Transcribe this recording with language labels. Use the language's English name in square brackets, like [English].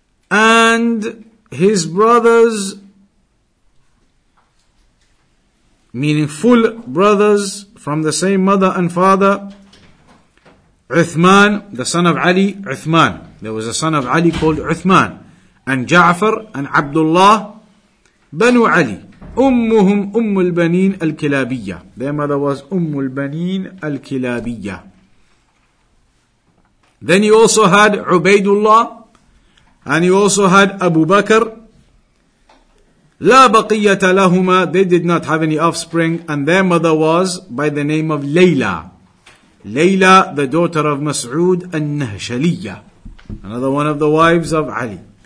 [English] And his brothers, meaning full brothers from the same mother and father, Uthman, the son of Ali, Uthman. There was a son of Ali called Uthman. And Ja'far and Abdullah, Banu Ali. [Arabic] أمهم أم البنين الكلابية. [English] Their mother was [Arabic] أم البنين الكلابية. [English] Then you also had Ubaidullah, and you also had Abu Bakr. [Arabic] لا بقية لهما. [English] They did not have any offspring, and their mother was by the name of Layla. Layla, the daughter of Mas'ud al-Nahshaliyya, another one of the wives of Ali.